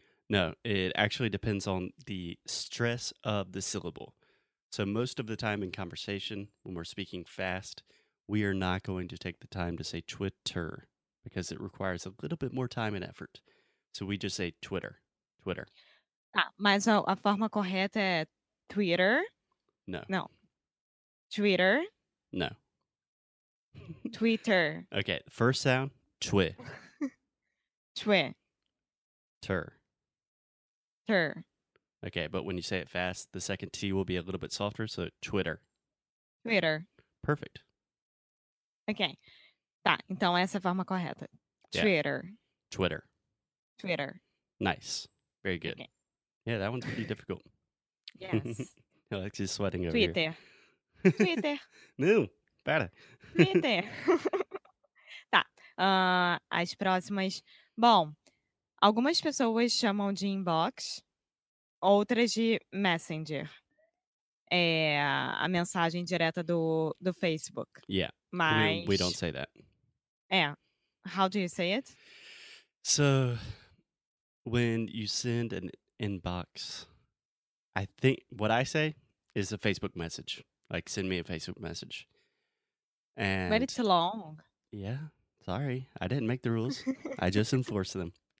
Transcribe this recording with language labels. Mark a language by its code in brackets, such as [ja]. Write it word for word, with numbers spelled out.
[en] no, it actually depends on the stress of the syllable. So, most of the time in conversation, when we're speaking fast, we are not going to take the time to say Twitter because it requires a little bit more time and effort. So, we just say Twitter, Twitter. [pt] ah, mas a, a forma correta é Twitter? [en] No, [pt] Não, Twitter, [en] no. Twitter, Okay, first sound, twi, Twitter. ter. Okay, but when you say it fast, the second T will be a little bit softer, so Twitter. Twitter. Perfect. Ok. [pt] Tá, então essa é a forma correta. [en] Yeah, Twitter. Twitter. Twitter. Nice. Very good. Ok. Yeah, that one's pretty difficult. Yes. Alexi's sweating over here. Twitter. Twitter. [pt] No, para. Twitter. Tá. Ah, as próximas. Bom, algumas pessoas chamam de inbox, outras de messenger. É a mensagem direta do, do Facebook. [en] Yeah, we, we don't [pt] Mas, [en] say that. é. How do you say it? So when you send an inbox, I think what I say is a Facebook message. Like, send me a Facebook message. But And it's long. yeah, sorry, I didn't make the rules. I just enforce them.